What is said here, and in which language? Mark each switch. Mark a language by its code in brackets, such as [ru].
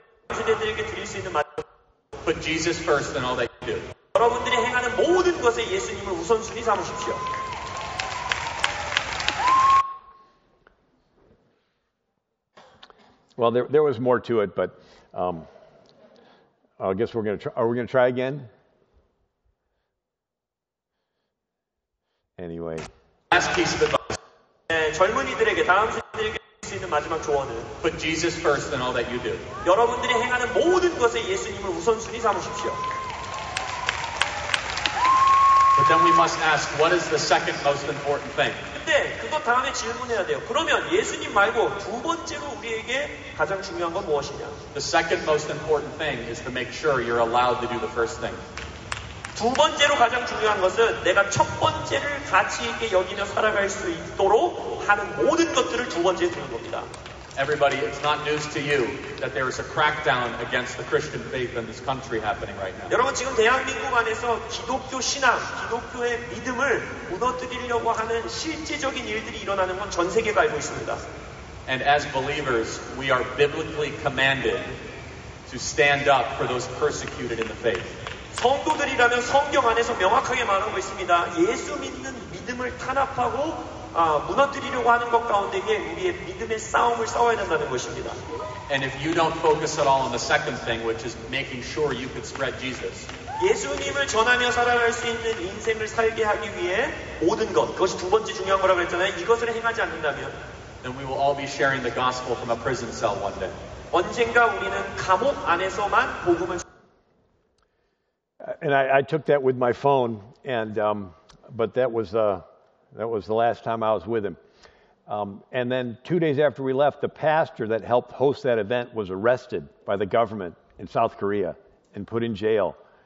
[en] Put Jesus first in all that you do. [ko] 여러분들이 행하는 모든 것에 예수님을 우선순위 삼으십시오. [en] Well, there was more to it, but I guess we're going to try. Are we going to try again? Anyway. Last piece of advice. [ko] 젊은이들에게 다음 세대들에게 할 수 있는 마지막 조언은 [en] Put Jesus first in all that you do. [ko] 여러분들이 행하는 모든 것에 예수님을 우선순위 삼으십시오. [en] But then we must ask, what is the second most important thing? [ko] 근데 그것 다음에 질문해야 돼요. 그러면 예수님 말고 두 번째로 우리에게 가장 중요한 건 무엇이냐? [en] The second most important thing is to make sure you're allowed to do the first thing. [ko] 두 번째로 가장 중요한 것은 내가 첫 번째를 가치 있게 여기며 살아갈 수 있도록 하는 모든 것들을 두 번째에 두는 겁니다. [en] Everybody, it's not news to you that there is a crackdown against the Christian faith in this country happening right now. [ko] 여러분, 지금 대한민국 안에서 기독교 신앙, 기독교의 믿음을 무너뜨리려고 하는 실질적인 일들이 일어나는 건 전 세계가 알고 있습니다. [en] And as believers, we are biblically commanded to stand up for those persecuted in the faith. [ko] 성도들이라면 성경 안에서 명확하게 말하고 있습니다. 예수 믿는 믿음을 탄압하고 무너뜨리려고 하는 것 가운데에 우리의 믿음의 싸움을 싸워야 된다는 것입니다. [en] And if you don't focus at all on the second thing, which is making sure you could spread Jesus. [ko] 예수님을 전하며 살아갈 수 있는 인생을 살게 하기 위해 모든 것, 그것이 두 번째 중요한 거라고 했잖아요. 이것을 행하지 않는다면 [en] Then we will all be sharing the gospel from a prison cell one day. [ko] 언젠가 우리는 감옥 안에서만 복음을 [en] And I took that with my phone, and but that was the last time I was with him. And then 2 days after we left, the pastor that helped host that event was arrested by the government in South Korea and put in jail.